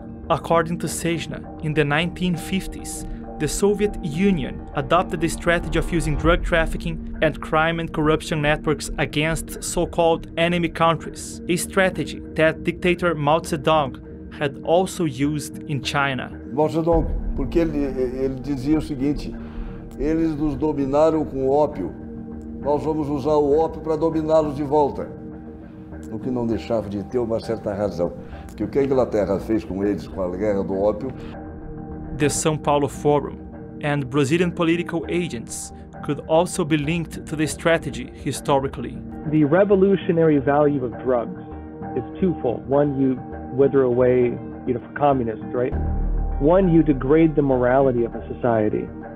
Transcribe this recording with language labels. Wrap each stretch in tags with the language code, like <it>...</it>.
<en>According to Sejna, in the 1950s, the Soviet Union adopted the strategy of using drug trafficking and crime and corruption networks against so-called enemy countries, a strategy that dictator Mao Zedong had also used in China.</en> <pt>Mao Zedong, porque ele dizia o seguinte: eles nos dominaram com ópio, nós vamos usar o ópio para dominá-los de volta. O que não deixava de ter uma certa razão, que o que a Inglaterra fez com eles com a guerra do ópio.</pt> <en>The São Paulo Forum and Brazilian political agents could also be linked to the strategy historically. The revolutionary value of drugs is twofold. One, you wither away, you know, for communists, right? One, you degrade the morality of a society.</en>